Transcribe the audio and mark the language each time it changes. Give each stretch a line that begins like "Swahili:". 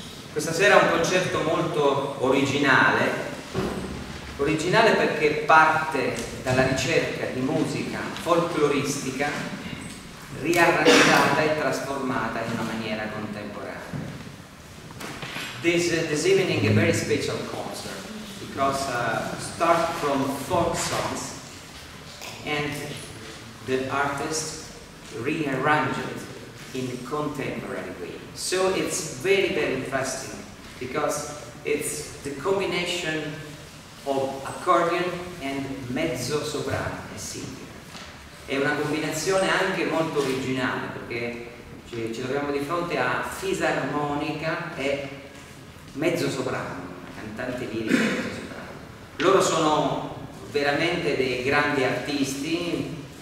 Italian: Questa sera è un concerto molto originale, originale perché parte dalla ricerca di musica folcloristica riarrangiata e trasformata in una maniera contemporanea.
English: This evening a very special concert because start from folk songs and the artist rearranged in a contemporary way. So it's very, very interesting because it's the combination of accordion and mezzo soprano e singer.
Italian: È una combinazione anche molto originale perché ci troviamo di fronte a fisarmonica e mezzo soprano, cantante lirica e mezzo soprano. Loro sono veramente dei grandi artisti.